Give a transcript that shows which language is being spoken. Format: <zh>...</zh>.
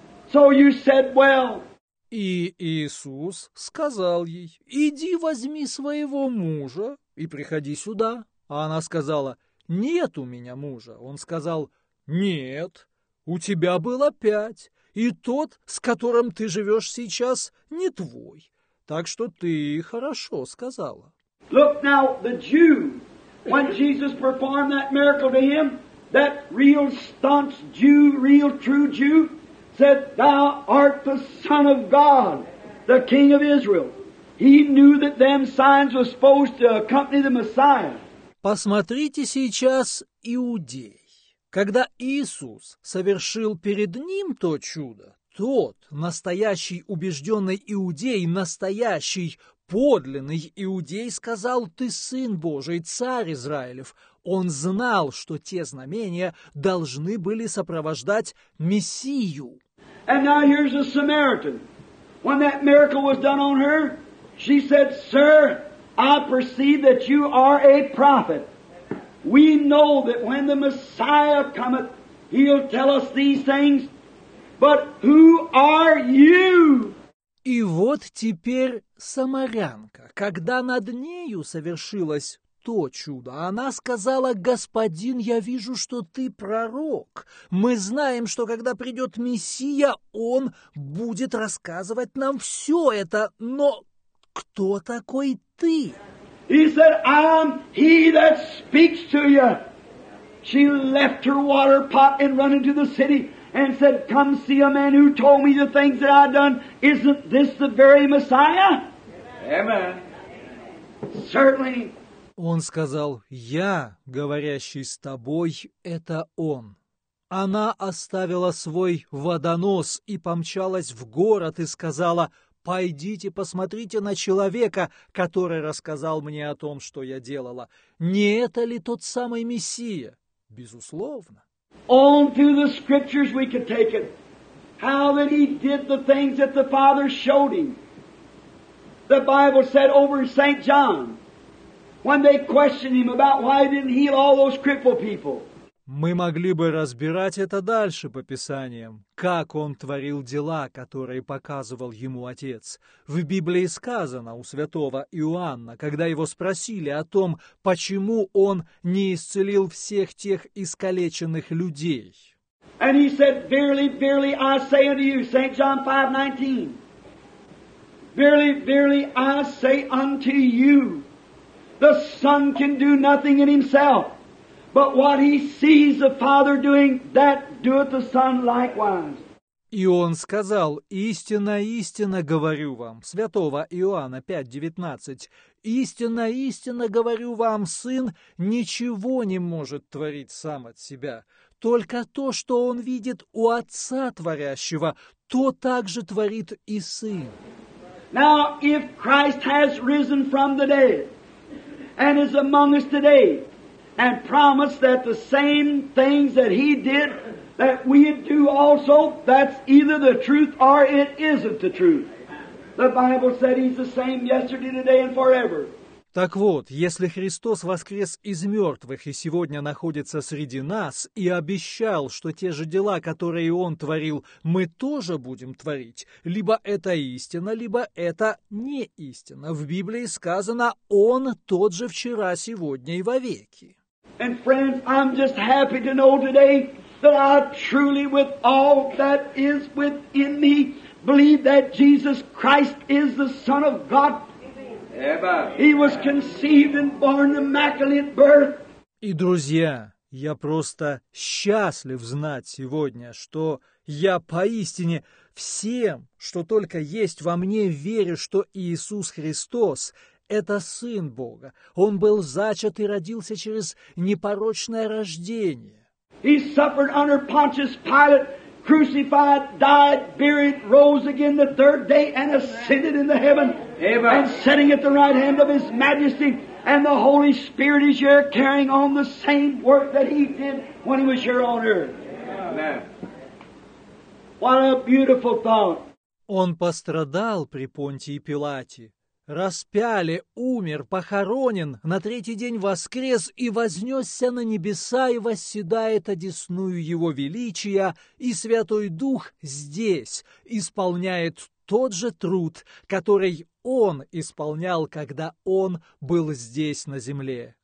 <en>So you said, well.</en> <ru>И Иисус сказал ей, иди возьми своего мужа и приходи сюда. А она сказала, нет у меня мужа. Он сказал, нет. У тебя было пять, и тот, с которым ты живешь сейчас, не твой. Так что ты хорошо сказала.</ru> <en>Look now, the Jew, when Jesus performed that miracle to him, that real staunch Jew, real true Jew, said, thou art the Son of God, the King of Israel. He knew that them signs were supposed to accompany the Messiah.</en> <ru>Посмотрите сейчас, иудей. Когда Иисус совершил перед ним то чудо, тот, настоящий убежденный иудей, настоящий подлинный иудей, сказал, «Ты Сын Божий, Царь Израилев». Он знал, что те знамения должны были сопровождать Мессию.</ru> <en>And now here's a Samaritan. When that miracle was done on her, she said, «Sir, I perceive that you are a prophet». We know that when the Messiah cometh, he'll tell us these things. But who are you?</en> <ru>И вот теперь самарянка, когда над нею совершилось то чудо, она сказала, «Господин, я вижу, что ты пророк. Мы знаем, что когда придет Мессия, он будет рассказывать нам все это. Но кто такой ты?»</ru> <en>He said, I'm he that speaks to you. She left her water pot and run into the city and said, come see a man who told me the things that I've done. Isn't this the very Messiah? Amen. Amen. Certainly.</en> <ru>Он сказал, я, говорящий с тобой, это он. Она оставила свой водонос и помчалась в город и сказала, «Пойдите, посмотрите на человека, который рассказал мне о том, что я делала. Не это ли тот самый Мессия?» Безусловно.</ru> <en>On through the scriptures we could take it. How that he did the things that the Father showed him. The Bible said over St. John, when they questioned him about why he didn't heal all those crippled people.</en> <ru>Мы могли бы разбирать это дальше по Писаниям, как он творил дела, которые показывал ему Отец. В Библии сказано у святого Иоанна, когда его спросили о том, почему он не исцелил всех тех искалеченных людей.</ru> <en>And he said, verily, verily, I say unto you, St. John 5:19. Verily, verily, I say unto you, the Son can do nothing in himself. But what he sees the Father doing, that doeth the Son likewise.</en> <ru>И он сказал, истинно, истинно говорю вам, святого Иоанна 5:19, истинно, истинно говорю вам, Сын ничего не может творить сам от себя, Только то, что он видит у Отца Творящего, то также творит и Сын.</ru> <en>Now, if Christ has risen from the dead and is among us today and promised that the same things that He did that we do also, that's either the truth or it isn't the truth. The Bible said He's the same yesterday, today and forever.</en> <ru>Так вот, если Христос воскрес из мертвых и сегодня находится среди нас и обещал, что те же дела, которые Он творил, мы тоже будем творить, либо это истина, либо это не истина. В Библии сказано, Он тот же вчера, сегодня и вовеки.</ru> <en>And friends, I'm just happy to know today that I truly, with all that is within me, believe that Jesus Christ is the Son of God. He was conceived and born the immaculate birth.</en> <ru>И, друзья, я просто счастлив знать сегодня, что я поистине всем, что только есть во мне, верю, что Иисус Христос – это Сын Бога. Он был зачат и родился через непорочное рождение.</ru> <en>He suffered under Pontius Pilate, crucified, died, buried, rose again the third day, and ascended into heaven. Amen. And sitting at the right hand of His Majesty, and the Holy Spirit is here carrying on the same work that He did when He was here on earth. Amen. What a beautiful thought.</en> <ru>Он пострадал при Понтии Пилате. Распяли, умер, похоронен, на третий день воскрес и вознесся на небеса и восседает одесную Его величия, и Святой Дух здесь исполняет тот же труд, который Он исполнял, когда Он был здесь на земле.</ru>